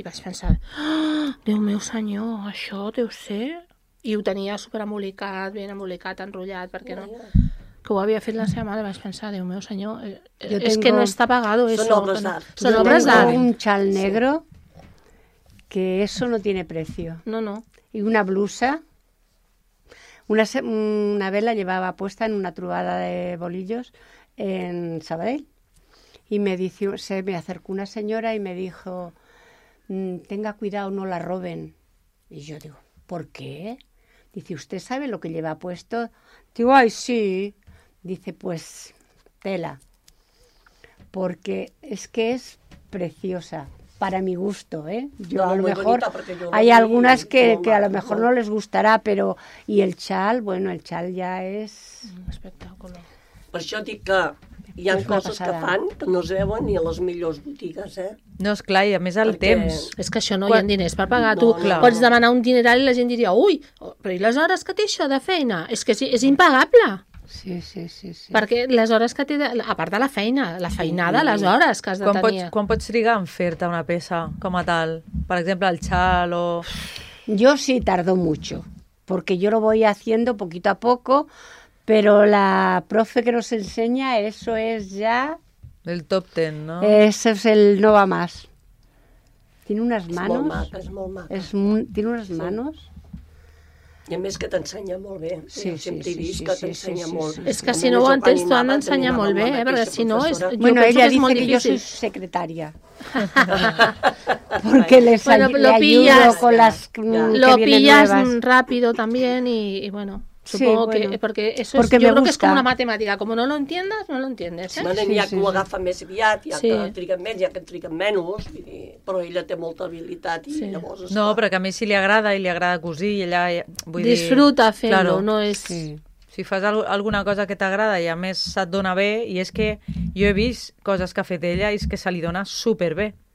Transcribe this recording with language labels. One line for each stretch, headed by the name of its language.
Catalan: I vaig pensar, Déu meu senyor, això deu ser... I ho tenia superembolicat, ben embolicat, enrotllat, perquè no... que ho havia fet la seva mare, vaig pensar, Déu meu senyor, és que no està pagado. Són obres d'art.
Spanish: Tengo un chal negro que eso no tiene precio. No, no. Y una blusa. Una vez la llevaba puesta en una trubada de bolillos en Sabadell. Y me dice, se me acercó una señora y me dijo, tenga cuidado, no la roben. Y yo digo, ¿por qué? Dice, ¿usted sabe lo que lleva puesto? Digo, ¡ay, sí! Dice, pues, tela. Porque es que es preciosa, para mi gusto, ¿eh? Yo no, a lo mejor, hay algunas que a lo mejor no les gustará, pero, y el chal, bueno, el chal ya es... Un espectáculo.
Catalan: Per això dic que hi ha coses que fan que no es veuen ni a les millors botigues, eh? No, esclar, i a més el temps. És que això no, hi ha diners per pagar. Tu pots demanar un dineral i la gent diria, ui, però i les hores que té això de feina? És que és impagable. Sí, sí, sí, sí. Perquè les hores que té, a part de la feina, la feinada, les hores que has de tenir. Quan pots trigar en fer-te una peça com a tal? Per exemple, el xal o...
Spanish: Jo sí tardo mucho, porque yo lo voy haciendo poquito a poco... Pero la profe que nos enseña, eso es ya... El top ten, ¿no? Ese es el no va más. Tiene unas manos... Es muy maca, es muy maca. Tiene unas manos...
Catalan: I a més que t'ensenya molt bé. Sí, jo sempre he vist que t'ensenya molt. És que si no ho entens, t'ho han d'ensenyar molt bé, perquè si no, jo penso que és molt difícil.
Spanish: Bueno, ella dice que yo soy secretaria. Porque le ayudo con las... Lo pillas rápido también y bueno... Supongo que, perquè eso porque es, yo creo que es como una matemática, como no lo entiendas, no lo entiendes.
Catalan: Sí, bueno, hi ha que ho agafa més aviat, hi ha que triguen més, hi ha que triguen menys, però ella té molta habilitat i llavors... No, però que a més si li agrada i li agrada cosir, ella... Vull disfruta fent-ho,
Spanish: claro,
Catalan: no és... Sí. Si fas alguna cosa que t'agrada i a més se't dona bé, i és que jo he vist coses que ha fet ella i és que se li dona superbé.